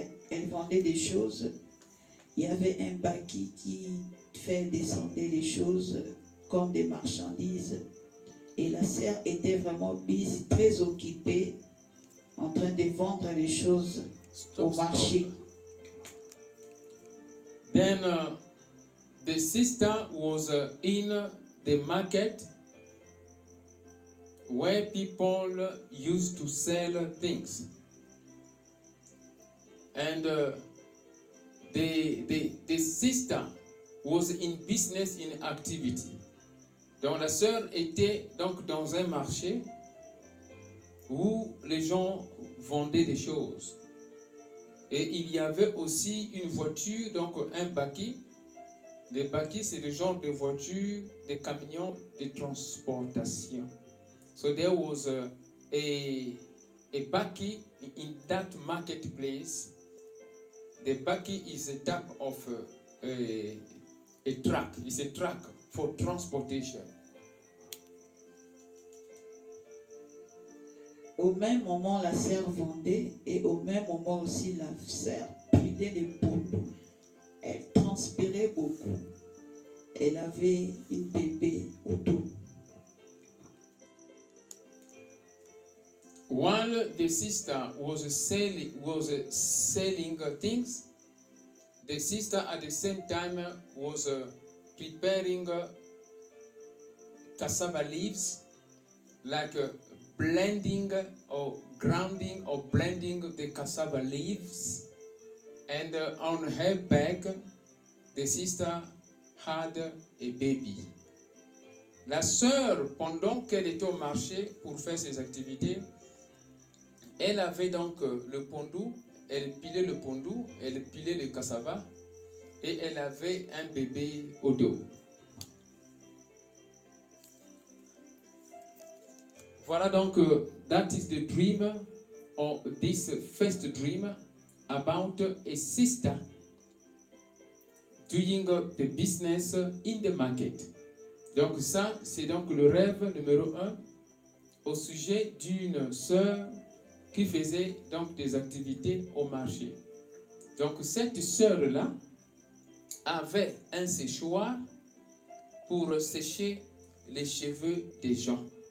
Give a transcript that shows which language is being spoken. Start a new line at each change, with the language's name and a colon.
French: Elle vendait des choses. Il y avait un baki qui fait descendre les choses comme des marchandises. Et la sœur était vraiment
English: busy,
French: très occupée, en train de vendre les choses au marché.
English: The sister was in the market where people used to sell things. And the sister was in business in activity.
French: Donc la sœur était donc dans un marché où les gens vendaient des choses. Et il y avait aussi une voiture, donc un baki. Les bakis, c'est le genre de voiture, de camions, de transportation.
English: So there was a baki in that marketplace. The baki is a type of a truck. It's a truck for transportation.
French: Au même moment, la sœur vendait et au même moment aussi, la sœur pilait les poudres. Elle transpirait beaucoup. Elle avait une bébé autour.
English: While the sister was selling things, the sister at the same time was preparing cassava leaves, like blending or grounding or blending the cassava leaves, and on her back, the sister had a baby.
French: La sœur, pendant qu'elle était au marché pour faire ses activités, elle avait donc le pondou, elle pilait le pondou, elle pilait le cassava, et elle avait un bébé au dos. Voilà donc,
English: that is the dream, or this first dream, about a sister doing the business in the market.
French: Donc ça, c'est donc le rêve numéro un au sujet d'une sœur qui faisait donc des activités au marché. Donc cette sœur-là avait un séchoir pour sécher les cheveux des gens.